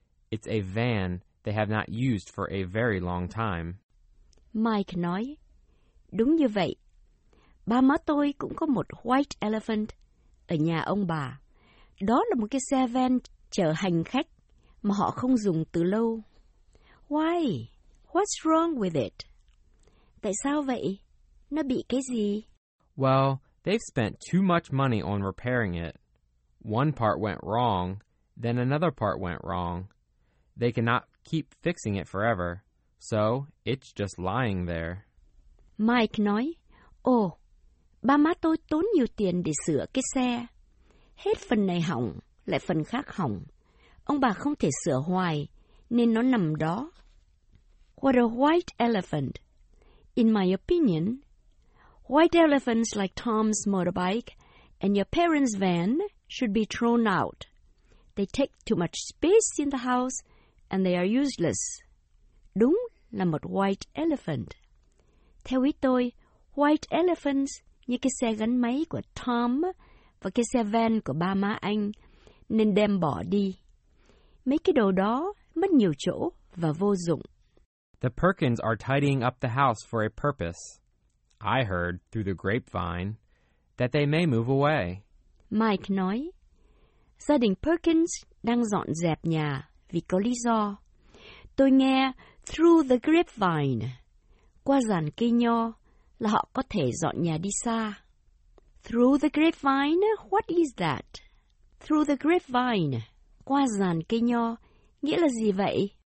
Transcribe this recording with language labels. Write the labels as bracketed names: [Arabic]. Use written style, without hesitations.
[English] It's a van they have not used for a very long time. [Vietnamese] Mike nói, đúng như vậy. Ba má tôi cũng có một white elephant ở nhà ông bà. Đó là một cái xe van chở hành khách mà họ không dùng từ lâu. [English] Why? What's wrong with it? [Vietnamese] Tại sao vậy? Nó bị cái gì? [English] Well, they've spent too much money on repairing it. One part went wrong, then another part went wrong. They cannot keep fixing it forever, so it's just lying there. [Vietnamese] Mike nói, oh, ba má tôi tốn nhiều tiền để sửa cái xe. Hết phần này hỏng, lại phần khác hỏng. Ông bà không thể sửa hoài, nên nó nằm đó. [English] What a white elephant. In my opinion, white elephants like Tom's motorbike and your parents' van should be thrown out. They take too much space in the house and they are useless. [Vietnamese] Đúng là một white elephant. Theo ý tôi, white elephants như cái xe gắn máy của Tom và cái xe van của ba má anh nên đem bỏ đi. Mấy cái đồ đó mất nhiều chỗ và vô dụng. [English] The Perkins are tidying up the house for a purpose. I heard, through the grapevine, that they may move away. [Vietnamese] Mike nói, gia đình Perkins đang dọn dẹp nhà vì có lý do. Tôi nghe [English] through the grapevine, [Vietnamese] qua giàn cây nho, là họ có thể dọn nhà đi xa. [English] Through the grapevine, what is that? Through the grapevine, [Vietnamese] qua giàn cây nho, nghĩa là gì vậy?